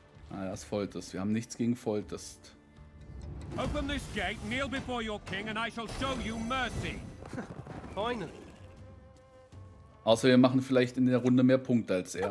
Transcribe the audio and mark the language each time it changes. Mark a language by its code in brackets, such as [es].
[de] Ah, das ist Foltest. Wir haben nichts gegen Foltest. [en] Open this gate, kneel before your king, and I shall show you mercy. Finally. [de] Außer wir machen vielleicht in der Runde mehr Punkte als er.